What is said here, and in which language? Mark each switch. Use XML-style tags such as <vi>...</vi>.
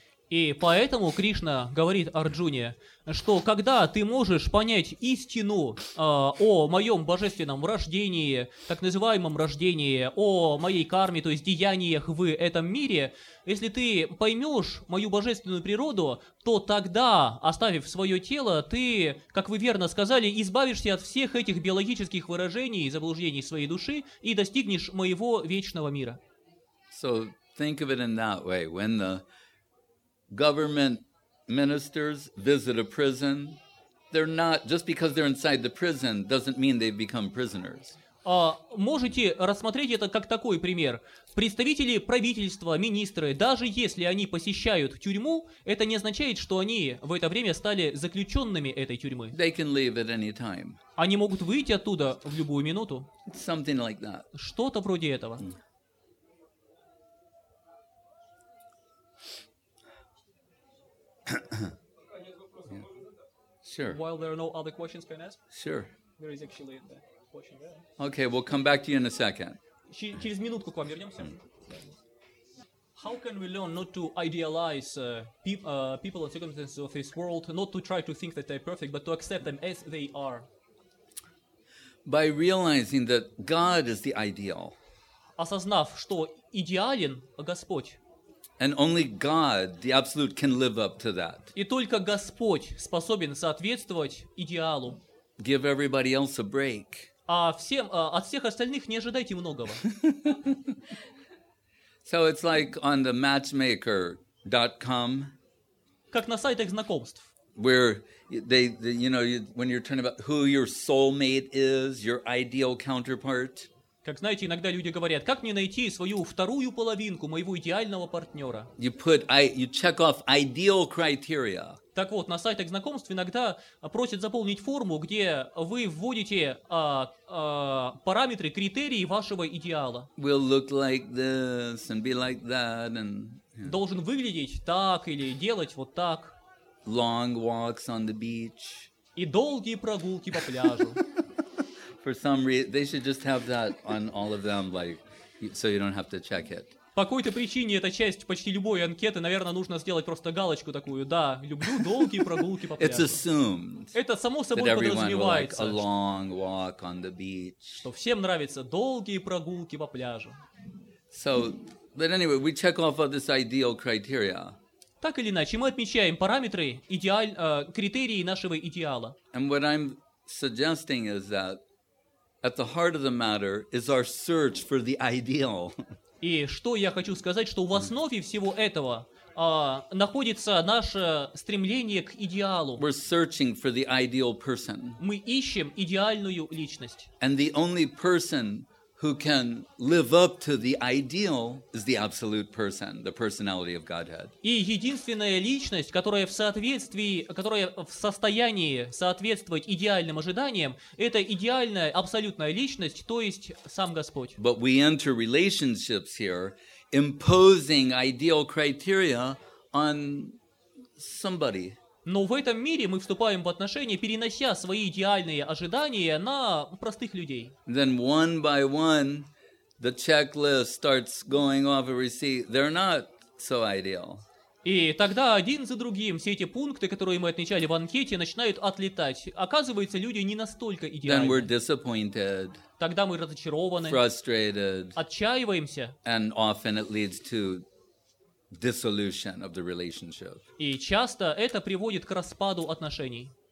<ru>И поэтому Кришна говорит Арджуне, что когда ты можешь понять истину о моем божественном рождении, так называемом рождении, о моей карме, то есть деяниях в этом мире, если ты поймешь мою божественную природу, то тогда, оставив свое тело, ты, как вы верно сказали, избавишься от всех этих биологических выражений и заблуждений своей души и достигнешь моего вечного мира.</ru> <en>So think of it in that way. When the government ministers visit a prison, they're not, just because they're inside the prison doesn't mean they've become prisoners.</en> <ru>Можете рассмотреть это как такой пример. Представители правительства, министры, даже если они посещают тюрьму, это не означает, что они в это время стали заключенными этой тюрьмы.</ru> <en>They can leave at any time.</en> <ru>Они могут выйти оттуда в любую минуту.</ru> <en>Something like that.</en> <ru>Что-то вроде этого.</ru> <en>Sure. While there are no other questions, can I ask? Sure. There is actually a question there. Okay, we'll come back to you in a second.</en> <ru>Через минутку к вам вернемся.</ru> <en>How can we learn not to idealize people and circumstances of this world, not to try to think that they're perfect, but to accept them as they are? By realizing that God is the ideal.</en> <ru>Осознав, что идеален Господь.</ru> <en>And only God, the Absolute, can live up to that.</en> <ru>И только Господь способен соответствовать идеалу.</ru> <en>Give everybody else a break.</en> <ru>А всем, от всех остальных не ожидайте многого.</ru> <en>So it's like on the matchmaker.com.</en> <ru>Как на сайтах знакомств.</ru> <en>Where they you know, when you're talking about who your soulmate is, your ideal counterpart.</en> <ru>Как знаете, иногда люди говорят, как мне найти свою вторую половинку, моего идеального партнера?</ru> <en>You check off ideal criteria.</en> <ru>Так вот, на сайтах знакомств иногда просят заполнить форму, где вы вводите параметры, критерии вашего идеала.</ru> <en>Will look like this and be like that and, yeah.</en> <ru>Должен выглядеть так или делать вот так.</ru> <en>Long walks on the beach.</en> <ru>И долгие прогулки по пляжу.</ru> <en>For some reason, they should just have that on all of them, like, so you don't have to check it.</en> <ru>По какой-то причине эта часть почти любой анкеты, наверное, нужно сделать просто галочку такую. Да, люблю долгие прогулки по пляжу.</ru> <en>It's assumed.</en> <ru>Это само собой подразумевается.</ru> <en>A long walk on the beach.</en> <ru>Что всем нравятся долгие прогулки по пляжу.</ru> <en>So, but anyway, we check off of this ideal criteria.</en> <ru>Так или иначе, мы отмечаем параметры, критерии нашего идеала.</ru> <en>And what I'm suggesting is that at the heart of the matter is our search for the ideal.</en> <ru>И что я хочу сказать, что в основе всего этого находится наше стремление к идеалу.</ru> <en>We're searching for the ideal person.</en> <ru>Мы ищем идеальную личность.</ru> <en>And the only person who can live up to the ideal is the absolute person, the personality of Godhead.</en> <ru>И единственная личность, которая в соответствии, которая в состоянии соответствовать идеальным ожиданиям, это идеальная абсолютная личность, то есть сам Господь.</ru> <en>But we enter relationships here, imposing ideal criteria on somebody.</en> <ru>Но в этом мире мы вступаем в отношения, перенося свои идеальные ожидания на простых людей.</ru> <en>Then one by one, the checklist starts going off and we see they're not so ideal.</en> <ru>И тогда один за другим все эти пункты, которые мы отмечали в анкете, начинают отлетать. Оказывается, люди не настолько идеальны.</ru> <en>Then we're disappointed.</en> <ru>Тогда мы разочарованы.</ru> <en>Frustrated.</en> <ru>Отчаиваемся.</ru> <en>And often it leads to dissolution of the relationship.</en> <ru>И часто это приводит к распаду отношений.</ru>